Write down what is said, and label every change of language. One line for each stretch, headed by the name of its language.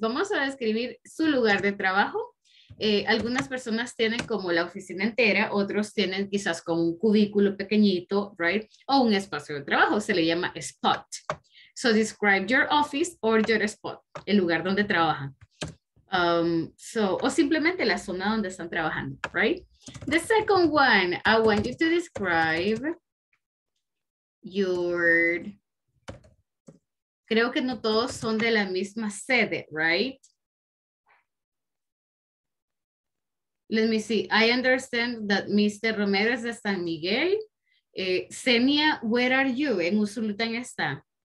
Spanish: Vamos a describir su lugar de trabajo. Algunas personas tienen como la oficina entera, otros tienen quizás como un cubículo pequeñito, right? O un espacio de trabajo, se le llama spot.
English: So describe your office or your spot,
Spanish: el lugar donde trabajan. O simplemente la zona donde están trabajando, right?
English: The second one, I want you to describe your...
Spanish: Creo que no todos son de la misma sede, right?
English: Let me see. I understand that Mr. Romero is de San Miguel. Xenia, where are you?
Spanish: ¿En Usulután está?